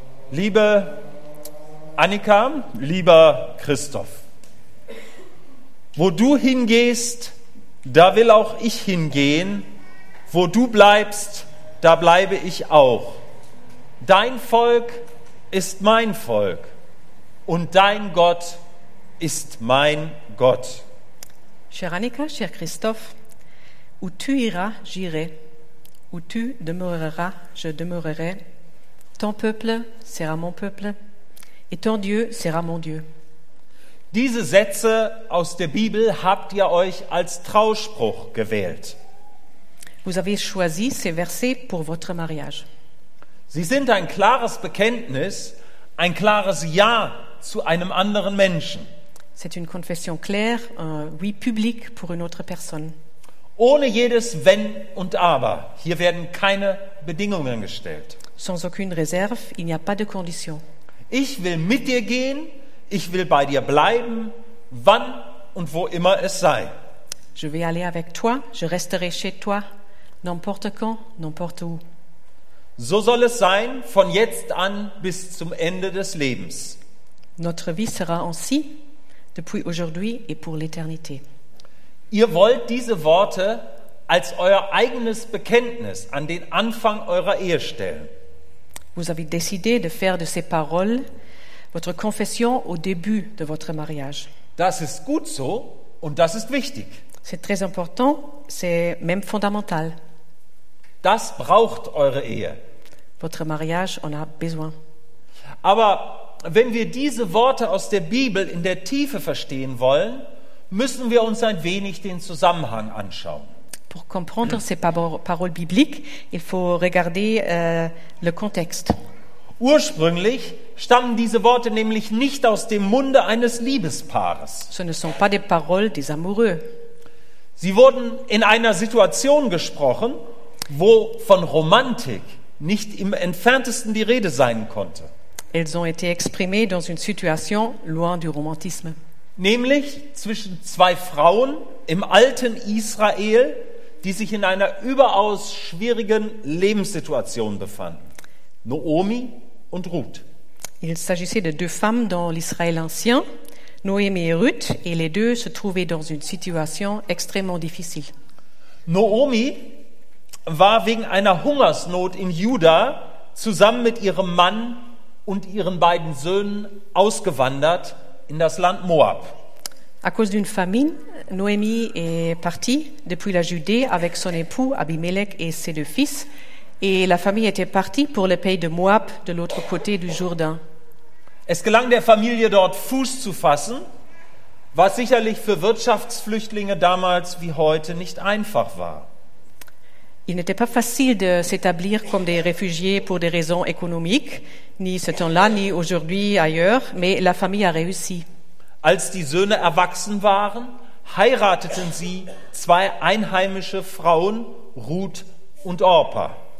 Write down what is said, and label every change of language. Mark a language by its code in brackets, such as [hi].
[de] Liebe Annika, lieber Christoph, wo du hingehst, da will auch ich hingehen. Wo du bleibst, da bleibe ich auch. Dein Volk ist mein Volk und dein Gott ist mein Gott. [fr] Chère Annika, cher Christophe, où tu iras, j'irai. Où tu demeureras, je demeurerai. Ton peuple sera mon peuple et ton Dieu sera mon Dieu. [de] Diese Sätze aus der Bibel habt ihr euch als Trauspruch gewählt. [fr] Vous avez choisi ces versets pour votre mariage. [de] Sie sind ein klares Bekenntnis, ein klares Ja zu einem anderen Menschen. [fr] C'est une confession claire, un oui public pour une autre personne. [de] Ohne jedes Wenn und Aber. Hier werden keine Bedingungen gestellt. [fr] Sans aucune réserve, il n'y a pas de condition. [de] Ich will mit dir gehen, ich will bei dir bleiben, wann und wo immer es sei. [fr] Je vais aller avec toi, je resterai chez toi, n'importe quand, n'importe où. [de] So soll es sein, von jetzt an bis zum Ende des Lebens. [fr] Notre vie sera ainsi, depuis aujourd'hui et pour l'éternité. [de] Ihr wollt diese Worte als euer eigenes Bekenntnis an den Anfang eurer Ehe stellen. [fr] Vous avez décidé de faire de ces paroles votre confession au début de votre mariage. [de] Das ist gut so und das ist wichtig. [fr] C'est très important, c'est même fondamental. [de] Das braucht eure Ehe. [fr] Votre mariage en a besoin. [de] Aber wenn wir diese Worte aus der Bibel in der Tiefe verstehen wollen, müssen wir uns ein wenig den Zusammenhang anschauen. [fr] Pour comprendre ces paroles bibliques, il faut regarder le contexte. [de] Ursprünglich stammen diese Worte nämlich nicht aus dem Munde eines Liebespaares. [fr] Ce ne sont pas des paroles des amoureux. [de] Sie wurden in einer Situation gesprochen, wo von Romantik nicht im entferntesten die Rede sein konnte. [fr] Elles ont été exprimées dans une situation loin du romantisme. [de] Nämlich zwischen zwei Frauen im alten Israel, die sich in einer überaus schwierigen Lebenssituation befanden. Naomi und Ruth. [fr] Il s'agissait de deux femmes dans l'Israël ancien. Noémie et Ruth, et les deux se trouvaient dans une situation extrêmement difficile. [de] Naomi war wegen einer Hungersnot in Juda zusammen mit ihrem Mann und ihren beiden Söhnen ausgewandert in das Land Moab. [fr] À cause d'une famine, Noémie est partie depuis la Judée avec son époux Abimelech et ses deux fils, et la famille était partie pour le pays de Moab de l'autre côté du Jourdain. [de] Es gelang der Familie dort Fuß zu fassen, was sicherlich für Wirtschaftsflüchtlinge damals wie heute nicht einfach war. [fr] Il n'était pas facile de s'établir comme des réfugiés pour des raisons économiques, ni ce temps-là ni aujourd'hui ailleurs, mais la famille a réussi. [de] Als die Söhne erwachsen waren, heirateten sie zwei einheimische Frauen, Ruth und Orpa.